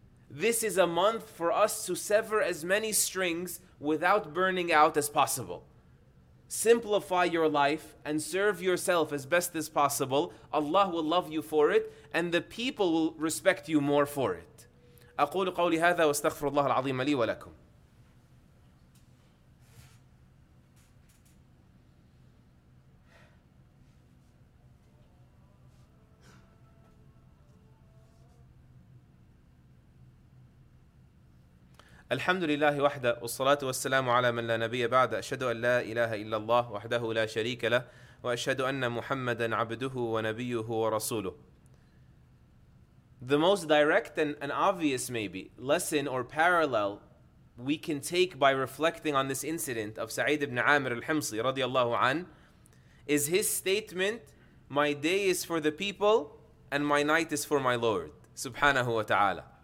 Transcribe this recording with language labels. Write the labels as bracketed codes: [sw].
[en] This is a month for us to sever as many strings without burning out as possible. Simplify your life and serve yourself as best as possible. Allah will love you for it, and the people will respect you more for it. [ar] أقول قولي هذا واستغفر الله العظيم لي ولكم. الحمد لله وحده والصلاة والسلام على من لا نبي بعد أشهد أن لا إله إلا الله وحده لا شريك له وأشهد أن محمدا عبده ونبيه ورسوله. [en] The most direct and obvious maybe lesson or parallel we can take by reflecting on this incident of Sa'id ibn Amir al-Himsi [ar] رضي الله عنه [en] is his statement, my day is for the people and my night is for my Lord [ar] سبحانه وتعالى.